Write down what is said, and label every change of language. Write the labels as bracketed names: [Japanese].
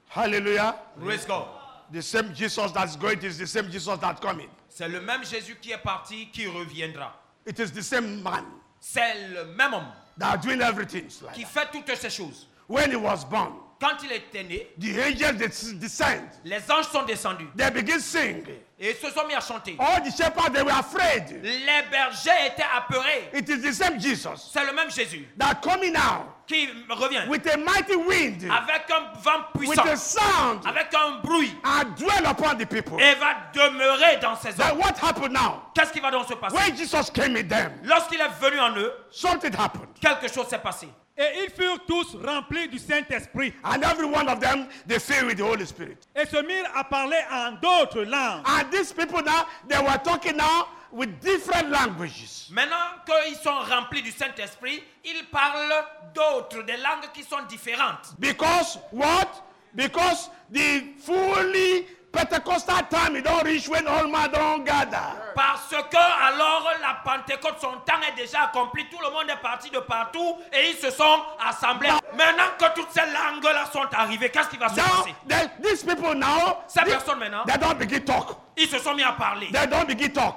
[English] Hallelujah. Praise God. The same Jesus that's going is the same Jesus that's coming. [French] C'est le même Jésus qui est parti qui reviendra. [English] It is the same man. [French] C'est le même homme. [English] That doing everything like [French] qui Fait toutes ces choses. [English] When he was born. [French] Quand il était né, [English] the angels descend. [French] Les anges sont descendus. [English] They begin sing. [French] Et se sont mis à chanter. [English] All the shepherds they were afraid. [French] Les bergers étaient apeurés. [English] It is the same Jesus. [French] C'est le même Jésus. [English] That coming now. [French] Qui revient. [English] With a mighty wind. [French] Avec un vent puissant. [English] With a sound. [French] Avec un bruit. [English] And dwell upon the people. [French] Et va demeurer dans ces hommes. [English] Then what happened now? [French] Qu'est-ce qui va donc se passer? [English] When Jesus came in them. [French] Lorsqu'il est venu en eux. [English] Something happened. [French] Quelque chose s'est passé. Et ils furent tous remplis du Saint-Esprit. [English] And every one of them, they filled with the Holy Spirit. [French] Et se mirent à parler en d'autres langues. [English] And these people now, they were talking now with different languages. [French] Maintenant qu'ils sont remplis du Saint-Esprit, ils parlent d'autres, des langues qui sont différentes. [English] Because what? Because the fully Pentecostal time is not reached when all men don't gather. [French] Parce que alors la Pentecôte, son temps est déjà accompli, tout le monde est parti de partout et ils se sont assemblés. Now, maintenant que toutes ces langues-là sont arrivées, qu'est-ce qui va se passer? Ces personnes maintenant, [English] they don't begin talk. [French] Ils se sont mis à parler. [English] They don't begin talk.